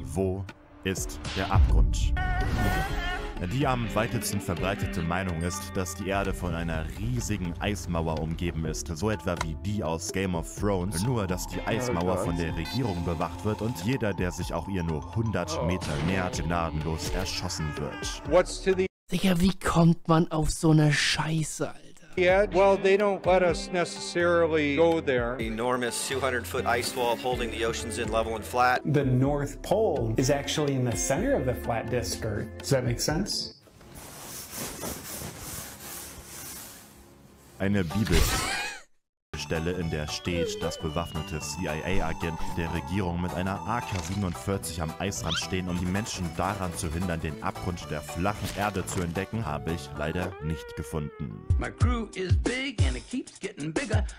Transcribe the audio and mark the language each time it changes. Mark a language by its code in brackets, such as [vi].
[de] Wo ist der Abgrund? Die am weitesten verbreitete Meinung ist, dass die Erde von einer riesigen Eismauer umgeben ist, so etwa wie die aus Game of Thrones, nur dass die Eismauer von der Regierung bewacht wird und jeder, der sich auch ihr nur 100 Meter nähert, gnadenlos erschossen wird. Digga, wie kommt man auf so eine Scheiße, Alter? [en] Yeah, well, they don't let us necessarily go there. Enormous 200-foot ice wall holding the oceans in level and flat. The North Pole is actually in the center of the flat disk Earth. Does that make sense? [de] Eine Bibel. Stelle, in der steht, dass bewaffnete CIA-Agenten der Regierung mit einer AK-47 am Eisrand stehen, um die Menschen daran zu hindern, den Abgrund der flachen Erde zu entdecken, habe ich leider nicht gefunden. [en] My crew is big and it keeps getting bigger.